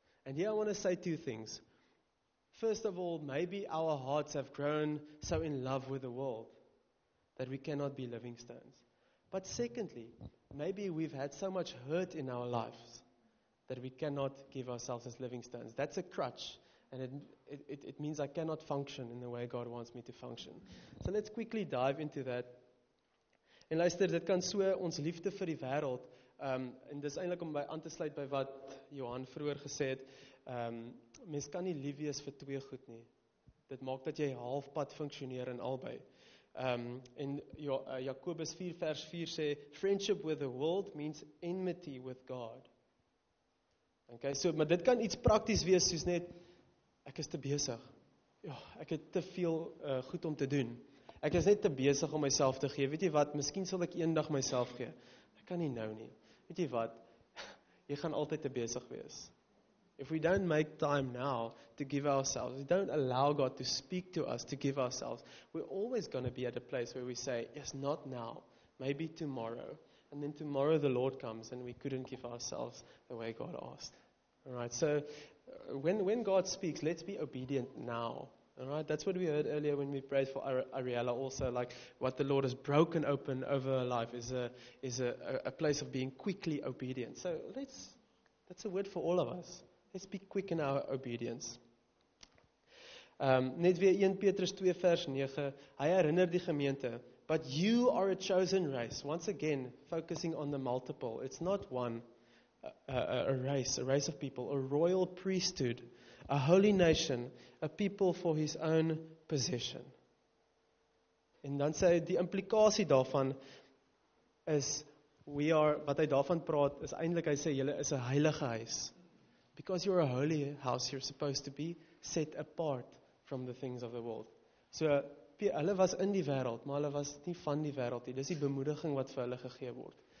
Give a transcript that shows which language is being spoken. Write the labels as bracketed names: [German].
[English] And here I want to say two things. First of all, maybe our hearts have grown so in love with the world that we cannot be living stones. But secondly, maybe we've had so much hurt in our lives that we cannot give ourselves as living stones. That's a crutch. And it means I cannot function in the way God wants me to function. So let's quickly dive into that. [Afrikaans] En luister, dit kan so ons liefde vir die wêreld, en dis eintlik om by aan te sluit by wat Johan vroeër gesê het, mens kan nie lief wees vir twee goed nie. Dit maak dat jy halfpad funksioneer in albei. En Jakobus 4 vers 4 sê, [English] friendship with the world means enmity with God. [Afrikaans] Okay, so, maar dit kan iets prakties wees soos net, ek is te besig. Ja, ek het te veel goed om te doen. Ek is net te besig om myself te gee. Weet jy wat, miskien sal ek eendag myself gee. Ek kan nie nou nie. Weet jy wat, jy gaan altyd te besig wees. [English] If we don't make time now to give ourselves, we don't allow God to speak to us to give ourselves, we're always going to be at a place where we say, it's not now, maybe tomorrow. And then tomorrow the Lord comes and we couldn't give ourselves the way God asked. All right, so when God speaks, let's be obedient now. All right, that's what we heard earlier when we prayed for Ariella also, like what the Lord has broken open over her life is a place of being quickly obedient. So that's a word for all of us. Let's be quick in our obedience. [Afrikaans] Net weer 1 Petrus 2 vers 9, hy herinner die gemeente, [English] but you are a chosen race. Once again, focusing on the multiple. It's not one, a race of people, a royal priesthood, a holy nation, a people for his own possession. [Afrikaans] En dan sê die implikasie daarvan is, [English] we are, [Afrikaans] wat hy daarvan praat, is eindelijk hy sê, julle is 'n heilige huis. [English] Because you're a holy house, you're supposed to be set apart from the things of the world. [Afrikaans] So, hulle was in die wêreld, maar hulle was nie van die wêreld nie. Dis die bemoediging wat vir hulle gegee word.